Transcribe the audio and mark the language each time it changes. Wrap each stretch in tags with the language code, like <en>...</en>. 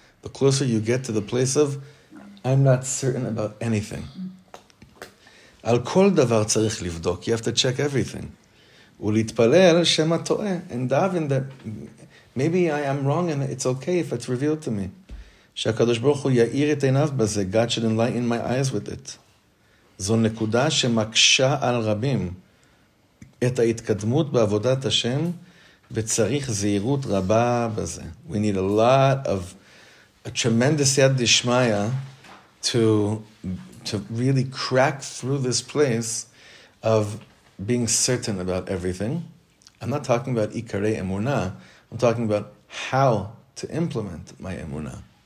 <en>The closer you get to the place of, I'm not certain about anything.</en> <he>Al kol davar tzarich livdok,</he> <en>you have to check everything.</en> <he>U'litpalel shema to'e,</he> <en>and daven that maybe I am wrong and it's okay if it's revealed to me.</en> <he>She'akadosh baruch hu ya'ir et einav baze,</he> <en>God should enlighten my eyes with it.</en> <he>זו נקודה שמקשה על רבים את ההתקדמות בעבודת השם וצריך זהירות רבה בזה.</he> <en>We need a lot of a tremendous yad dishmaya to really crack through this place of being certain about everything. I'm not talking about ikare emuna, I'm talking about how to implement my emuna.</en>